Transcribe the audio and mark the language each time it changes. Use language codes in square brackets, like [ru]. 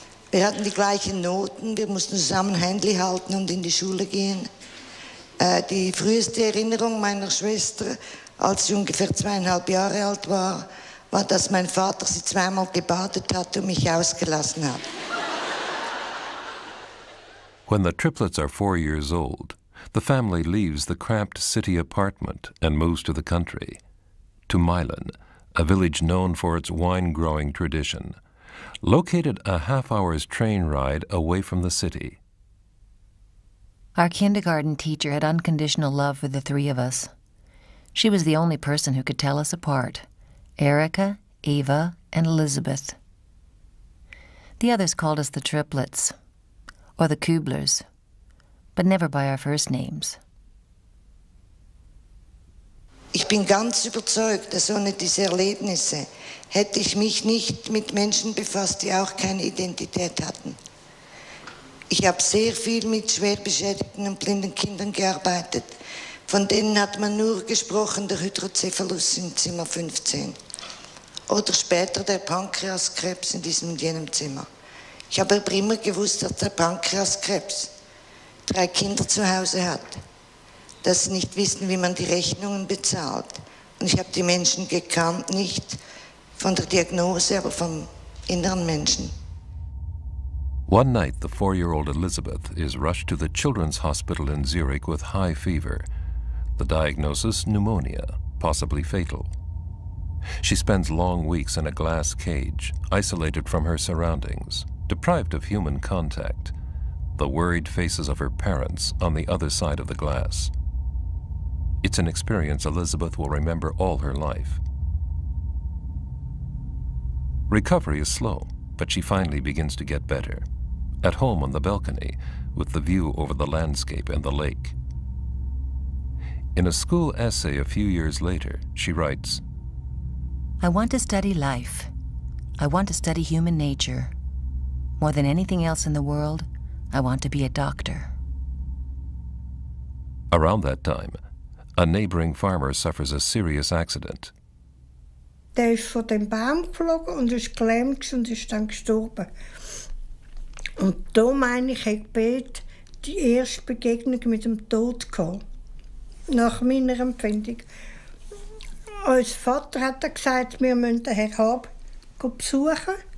[de] Wir hatten die gleichen Noten, wir mussten zusammen Handy halten und in die Schule gehen. Die früheste Erinnerung meiner Schwester, als sie ungefähr 2,5 Jahre alt war, war, dass mein Vater sie 2-mal gebadet hat und mich ausgelassen hat. [en] When the triplets are 4 years old, the family leaves the cramped city apartment and moves to the country, to Milan, a village known for its wine-growing tradition, located a half-hour's train ride away from the city. Our kindergarten teacher had unconditional love for the 3 of us. She was the only person who could tell us apart, Erica, Eva, and Elizabeth. The others called us the triplets, or the Kublers, but never by our first names. [de] Ich bin ganz überzeugt, dass ohne diese Erlebnisse hätte ich mich nicht mit Menschen befasst, die auch keine Identität hatten. Ich habe sehr viel mit schwerbeschädigten und blinden Kindern gearbeitet. Von denen hat man nur gesprochen, der Hydrocephalus im Zimmer 15. Oder später der Pankreaskrebs in diesem und jenem Zimmer. Ich habe aber immer gewusst, dass der Pankreaskrebs 3 Kinder zu Hause hat, dass sie nicht wissen, wie man die Rechnungen bezahlt. Und ich habe die Menschen gekannt, nicht von der Diagnose, aber vom inneren Menschen. [en] One night, the 4-year-old Elisabeth is rushed to the Children's Hospital in Zurich with high fever. The diagnosis, pneumonia, possibly fatal. She spends long weeks in a glass cage, isolated from her surroundings, deprived of human contact, the worried faces of her parents on the other side of the glass. It's an experience Elisabeth will remember all her life. Recovery is slow, but she finally begins to get better. At home on the balcony, with the view over the landscape and the lake. In a school essay a few years later, she writes, I want to study life. I want to study human nature. More than anything else in the world, I want to be a doctor. Around that time, a neighboring farmer suffers a serious accident. [de] Der ist von dem Baum geflogen und ist gelähmt und ist dann gestorben. Und da meine ich, ich bete die erste Begegnung mit dem Tod gehabt. Nach meiner Empfindung. Als Vater hat er gesagt, wir müssen den Herr Hab besuchen.